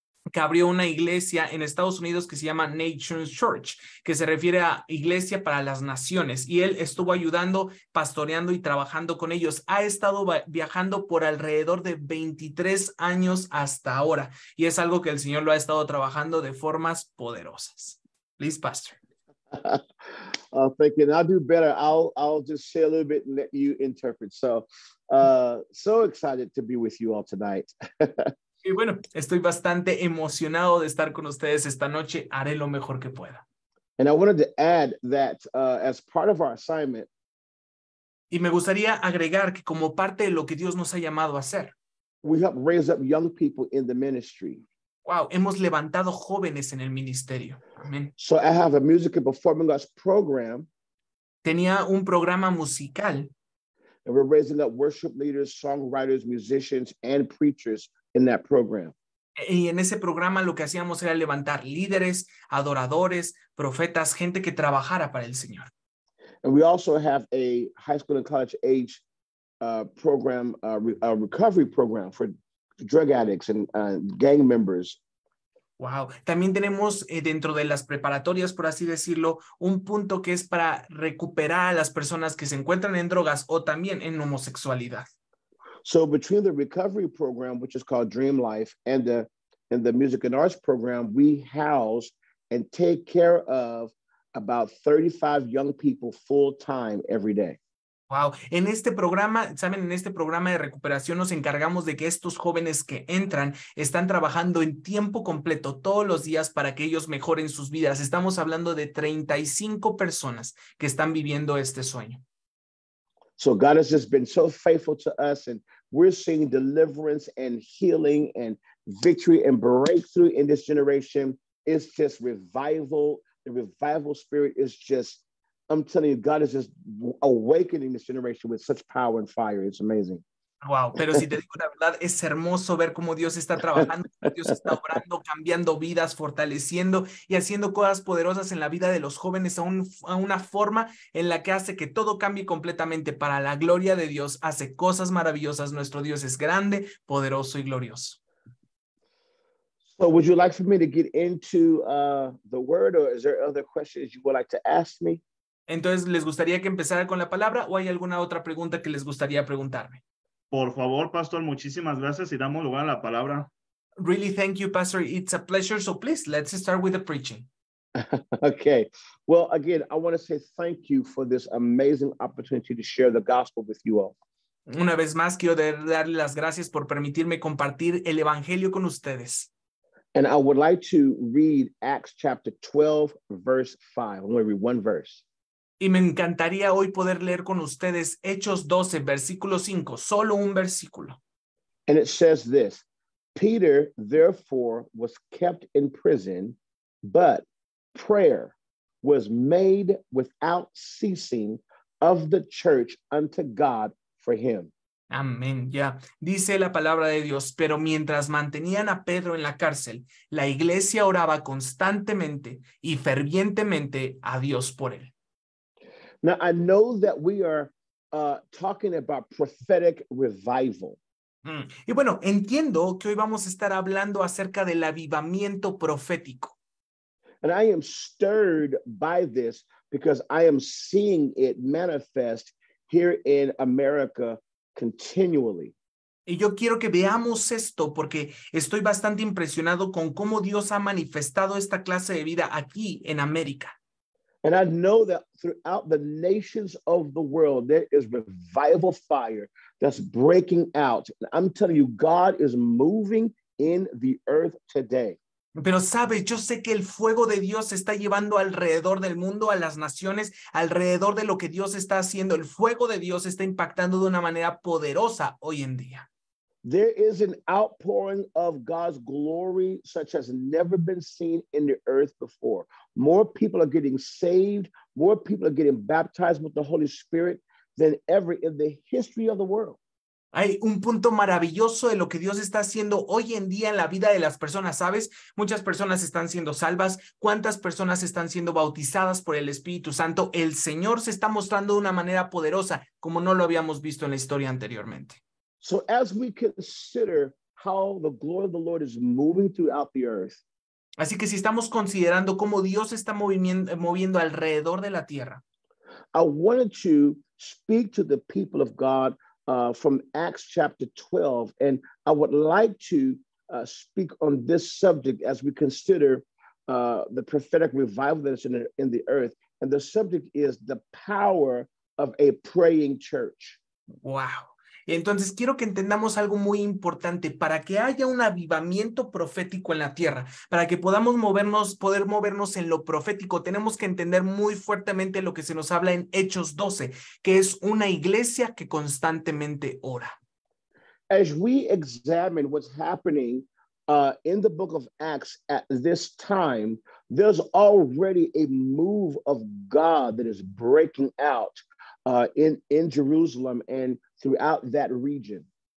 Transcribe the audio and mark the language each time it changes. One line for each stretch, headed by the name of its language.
Spanish: que abrió una iglesia en Estados Unidos que se llama Nations Church, que se refiere a iglesia para las naciones, y él estuvo ayudando, pastoreando y trabajando con ellos. Ha estado viajando por alrededor de 23 años hasta ahora, y es algo que el Señor lo ha estado trabajando de formas poderosas.
English: Please, Pastor. Thank you. And I'll do better. I'll just say a little bit and let you interpret. So, so excited to be with you all tonight.
Spanish: Y bueno, estoy bastante emocionado de estar con ustedes esta noche. Haré lo mejor que pueda.
English: And I wanted to add that as part of our assignment.
Spanish: Y me gustaría agregar que como parte de lo que Dios nos ha llamado a hacer.
English: We help raise up young people in the ministry.
Spanish: Wow, hemos levantado jóvenes en el ministerio. Amén.
English: So I have a music and performing arts program.
Spanish: Tenía un programa musical.
English: And we're raising up worship leaders, songwriters, musicians, and preachers. In that program.
Spanish: Y en ese programa lo que hacíamos era levantar líderes, adoradores, profetas, gente que trabajara para el Señor.
English: And we also have a high school and college age program, a recovery program for drug addicts and gang members. Wow.
Spanish: También tenemos dentro de las preparatorias, por así decirlo, un punto que es para recuperar a las personas que se encuentran en drogas o también en homosexualidad.
English: So between the recovery program, which is called Dream Life, and the music and arts program, we house and take care of about 35 young people full time every day.
Spanish: Wow. En este programa, ¿saben? En este programa de recuperación nos encargamos de que estos jóvenes que entran están trabajando en tiempo completo todos los días para que ellos mejoren sus vidas. Estamos hablando de 35 personas que están viviendo este sueño.
English: So God has just been so faithful to us, and we're seeing deliverance and healing and victory and breakthrough in this generation. It's just revival. The revival spirit is just, I'm telling you, God is just awakening this generation with such power and fire. It's amazing.
Spanish: Wow, pero si te digo la verdad, es hermoso ver cómo Dios está trabajando, cómo Dios está obrando, cambiando vidas, fortaleciendo y haciendo cosas poderosas en la vida de los jóvenes a una forma en la que hace que todo cambie completamente para la gloria de Dios. Hace cosas maravillosas. Nuestro Dios es grande, poderoso y glorioso.
English: So, would you like for me to get into the word, or is there other questions you would like to ask me?
Spanish: Entonces, ¿les gustaría que empezara con la palabra o hay alguna otra pregunta que les gustaría preguntarme? Por favor, Pastor, muchísimas gracias y damos lugar a la palabra.
English: Really, thank you, Pastor. It's a pleasure. So please, let's start with the preaching. Okay. Well, again, I want to say thank you for this amazing opportunity to share the gospel with you all.
Spanish: Una vez más, quiero darle las gracias por permitirme compartir el evangelio con ustedes.
English: And I would like to read Acts chapter 12, verse 5. I'm going to read one verse.
Spanish: Y me encantaría hoy poder leer con ustedes Hechos 12, versículo 5, solo un versículo.
English: And it says this: Peter, therefore, was kept in prison, but prayer was made without ceasing of the church unto God for him.
Spanish: Amén, ya. Dice la palabra de Dios, pero mientras mantenían a Pedro en la cárcel, la iglesia oraba constantemente y fervientemente a Dios por él.
English: Now, I know that we are talking about prophetic revival.
Spanish: Y bueno, entiendo que hoy vamos a estar hablando acerca del avivamiento profético.
English: And I am stirred by this because I am seeing it manifest here in America continually.
Spanish: Y yo quiero que veamos esto porque estoy bastante impresionado con cómo Dios ha manifestado esta clase de vida aquí en América.
English: And I know that throughout the nations of the world, there is revival fire that's breaking out. And I'm telling you, God is moving in the earth today.
Spanish: Pero sabes, yo sé que el fuego de Dios se está llevando alrededor del mundo, a las naciones, alrededor de lo que Dios está haciendo. El fuego de Dios está impactando de una manera poderosa hoy en día.
English: There is an outpouring of God's glory such as never been seen in the earth before. More people are getting saved, more people are getting baptized with the Holy Spirit than ever in the history of the world.
Spanish: Hay un punto maravilloso de lo que Dios está haciendo hoy en día en la vida de las personas, ¿sabes? Muchas personas están siendo salvas. ¿Cuántas personas están siendo bautizadas por el Espíritu Santo? El Señor se está mostrando de una manera poderosa, como no lo habíamos visto en la historia anteriormente.
English: So as we consider how the glory of the Lord is moving throughout the earth.
Spanish: Así que si estamos considerando cómo Dios está moviendo alrededor de la tierra.
English: I wanted to speak to the people of God from Acts chapter 12, and I would like to speak on this subject as we consider the prophetic revival that is in the earth. And the subject is the power of a praying church.
Spanish: Wow. Entonces quiero que entendamos algo muy importante. Para que haya un avivamiento profético en la tierra, para que podamos movernos, poder movernos en lo profético, tenemos que entender muy fuertemente lo que se nos habla en Hechos 12, que es una iglesia que constantemente ora.
English: As we examine what's happening in the book of Acts at this time, there's already a move of God that is breaking out in Jerusalem and throughout that region.